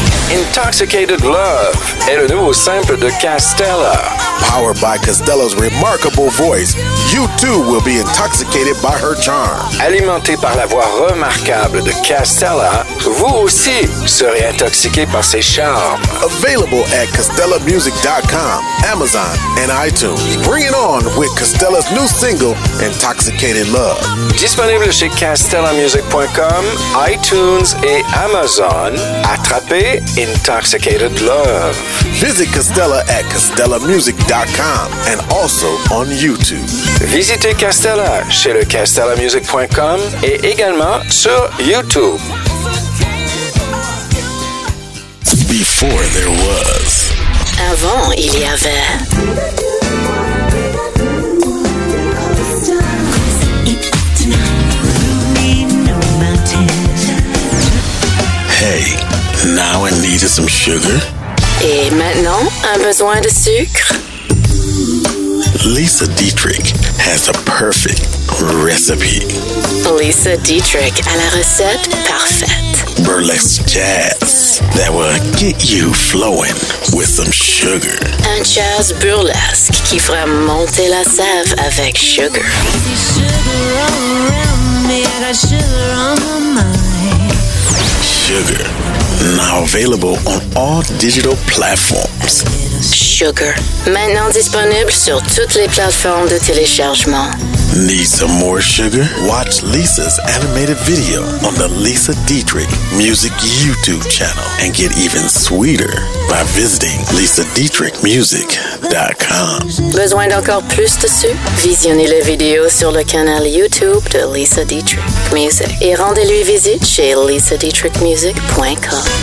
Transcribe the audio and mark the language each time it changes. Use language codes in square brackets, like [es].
[fr] Intoxicated Love est le nouveau simple de Castella. [en] Powered by Costello's remarkable voice, you too will be intoxicated by her charm. [fr] Alimenté par la voix remarquable de Castella, vous aussi serez intoxiqué par ses charmes. [en] Available at CostellaMusic.com, Amazon, and iTunes. Bring it on with Costello's new single, Intoxicated Love. [fr] Disponible chez CostellaMusic.com, iTunes, et Amazon. Attrapez Intoxicated Love. [en] Visit Costello at CostellaMusic.com and also on YouTube. [fr] Visitez Castella chez le CastellaMusic.com et également sur YouTube. [en] Before there was. [fr] Avant, il y avait. Et maintenant. [en] Hey, now I needed some sugar. [fr] Et maintenant, un besoin de sucre. [en] Lisa Dietrich has a perfect recipe. [fr] Lisa Dietrich a la recette parfaite. [en] Burlesque jazz that will get you flowing with some sugar. [fr] Un jazz burlesque qui fera monter la sève avec sugar. [en] Sugar. Now available on all digital platforms. Sugar. [fr] Maintenant disponible sur toutes les plateformes de téléchargement. [en] Need some more sugar? Watch Lisa's animated video on the Lisa Dietrich Music YouTube channel and get even sweeter by visiting lisadietrichmusic.com. [fr] Besoin d'encore plus de sucre? Visionnez les vidéos sur le canal YouTube de Lisa Dietrich Music et rendez-lui visite chez lisadietrichmusic.com.